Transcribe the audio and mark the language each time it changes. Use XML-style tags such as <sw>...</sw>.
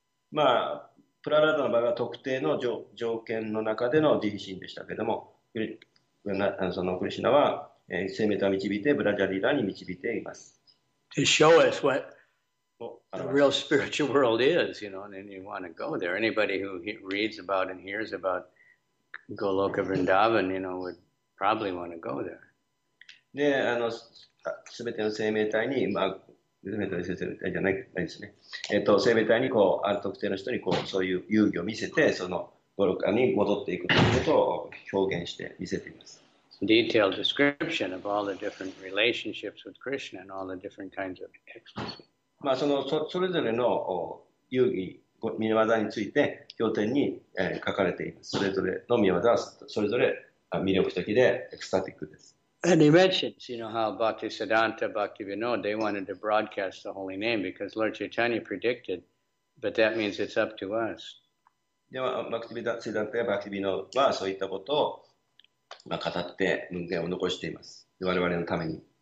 <ja>まあ、プララダの場合は特定の条件の中での慈悲心でしたけれども、そのクリシナは生命体を導いて、ブラジャリーラに導いています。</ja> <en>To show us what the real spiritual world is, you know, and you want to go there. Anybody who reads about and hears about Goloka Vrindavan, you know, would probably want to go there.</en> <ja>で、すべての生命体に、まあ、生命体に接する、じゃないですね。生命体に、こう、ある特定の人に、こう、そういう遊戯を見せて、その、ゴロカに戻っていくということを表現して見せています。</ja> <en>Detailed description of all the different relationships with Krishna and all the different kinds of ecstasy.</en> <ja>まあ、それぞれの遊戯、見業について、経典に、書かれています。それぞれの見業は、それぞれ魅力的で、エクスタティックです。</ja> <en>And he mentions, you know, how Bhaktisiddhanta, Bhaktivinoda, they wanted to broadcast the holy name because Lord Chaitanya predicted, but that means it's up to us.</en> <ja>Bhaktisiddhanta, Bhaktivinoda, そういったことを、まあ、語って文言を残しています。我々のために。</ja>